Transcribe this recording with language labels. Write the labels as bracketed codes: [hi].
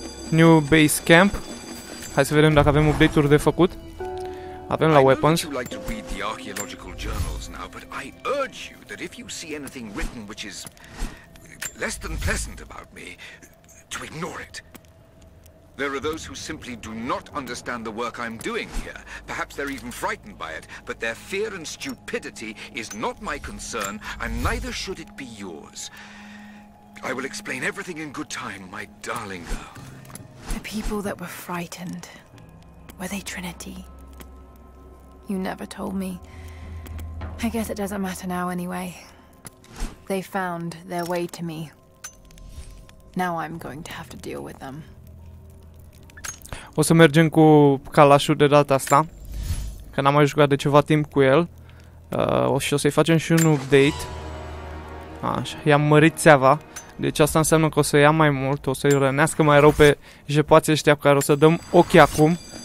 [en] New base camp. [ro] Hai să vedem dacă avem update-uri de făcut. Avem la weapons. [en] I know that you like to read the archaeological journals now, but I urge you that if you see anything written which is less than pleasant about me, to ignore it. There are those who simply do not understand the work I'm doing here. Perhaps they're even frightened by it, but their fear and stupidity is not my concern, and neither should it be yours. I will explain everything in good time, my darling girl. The people that were frightened, were they Trinity? You never told me. I guess it doesn't matter now anyway. They found their way to me. Now I'm going to have to deal with them. [ro] O să mergem cu calașul de data asta, că n-am mai jucat de ceva timp cu el. Și o să-i facem și un update. Așa, i-am mărit țeava. Deci asta înseamnă că o să ia mai mult, o să-i rănească mai rău pe jepoații ăștia pe care o să dăm ochi acum.